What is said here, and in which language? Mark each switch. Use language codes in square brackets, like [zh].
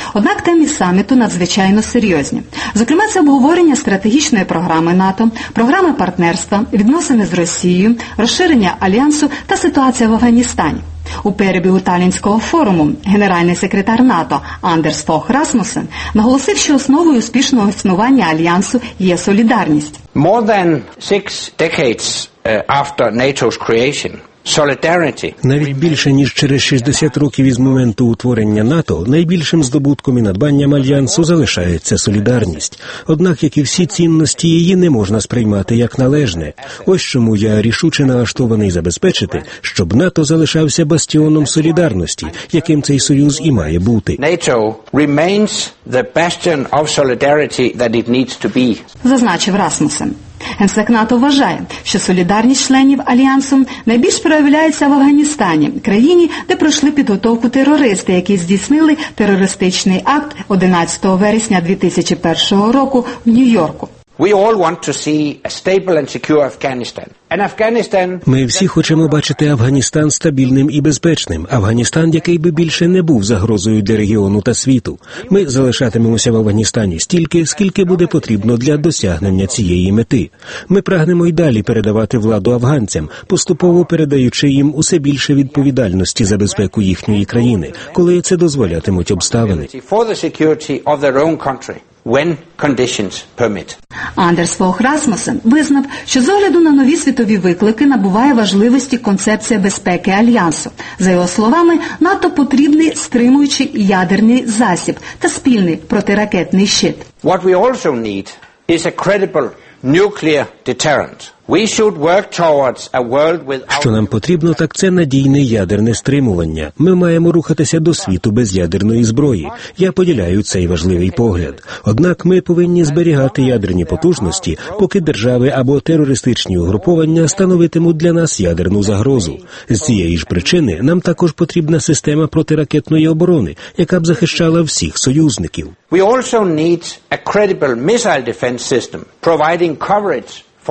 [uk] Однак теми саміту надзвичайно серйозні. Зокрема, це обговорення стратегічної програми НАТО, програми партнерства, відносини з Росією, розширення Альянсу та ситуація в Афганістані. У перебігу Талінського форуму генеральний секретар НАТО Андерс Фог Расмусен наголосив, що основою успішного існування Альянсу є солідарність. [en] More than six decades after NATO's creation, [uk] Навіть більше, ніж через 60 років із моменту утворення НАТО, найбільшим здобутком і надбанням Альянсу залишається солідарність. Однак, як і всі цінності, її не можна сприймати як належне. Ось чому я рішуче налаштований забезпечити, щоб НАТО залишався бастіоном солідарності, яким цей союз і має бути. [en] НАТО remains the bastion of solidarity that it needs to be. [uk] Зазначив Расмусен. Генсек НАТО вважає, що солідарність членів Альянсу найбільш проявляється в Афганістані, країні, де пройшли підготовку терористи, які здійснили терористичний акт 11 вересня 2001 року в Нью-Йорку. [en] We all want to see a stable and secure Afghanistan. [uk] Ми всі хочемо бачити Афганістан стабільним і безпечним. Афганістан, який би більше не був загрозою для регіону та світу. Ми залишатимемося в Афганістані стільки, скільки буде потрібно для досягнення цієї мети. Ми прагнемо й далі передавати владу афганцям, поступово передаючи їм усе більше відповідальності за безпеку їхньої країни, коли це дозволятимуть обставини. [en] For the security of their own country. When conditions permit. [uk] Андерс Фогх Расмусен визнав, що з огляду на нові світові виклики набуває важливості концепція безпеки Альянсу. За його словами, НАТО потрібний стримуючий ядерний засіб та спільний протиракетний щит. [en] What we also need is a credible nuclear deterrent. We should work towards a world without. [uk] Що нам потрібно, так це надійне ядерне стримування. Ми маємо рухатися до світу без ядерної зброї. Я поділяю цей важливий погляд. Однак ми повинні зберігати ядерні потужності, поки держави або терористичні угруповання становитимуть для нас ядерну загрозу. З цієї ж причини нам також потрібна система протиракетної оборони, яка б захищала всіх союзників. [en] We also need a credible missile defense system, providing coverage.